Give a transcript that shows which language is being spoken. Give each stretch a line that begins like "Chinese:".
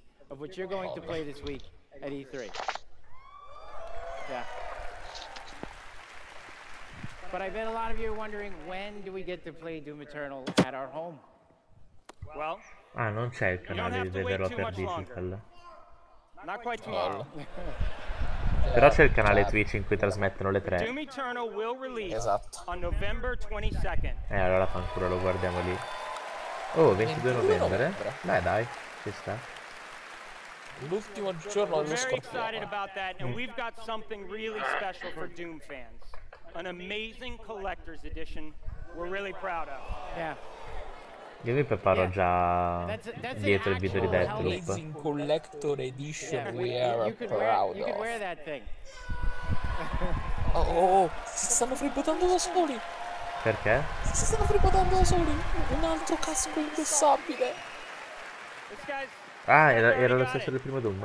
English: Of what you're going to play this week at E3. Yeah. But I bet a lot of you are wondering, when do we get to play Doom Eternal at our home?
Italian: Well, ah, non c'è il canale di Developer Digital.
English: Not quite tomorrow.
Italian: Però c'è il canale Twitch in cui trasmettono le tre.
English: Doom Eternal will release on November 22nd.
Italian: Allora fanculo, lo guardiamo lì. Oh, 22 novembre? Dai, ci sta. L'ultimo giorno dello scorpione.
English: We're very excited about that, and we've got something really special for Doom fans. An amazing collector's edition we're really proud of. Yeah.
Italian: Io mi preparo già dietro il video di Deathloop.
English: Amazing collector edition we are proud of. You can wear that thing.
Italian: Oh, si stanno freebootando da soli. Perché? Si stanno freebootando da soli. Un altro casco indossabile. Ah, era lo stesso del primo Doom,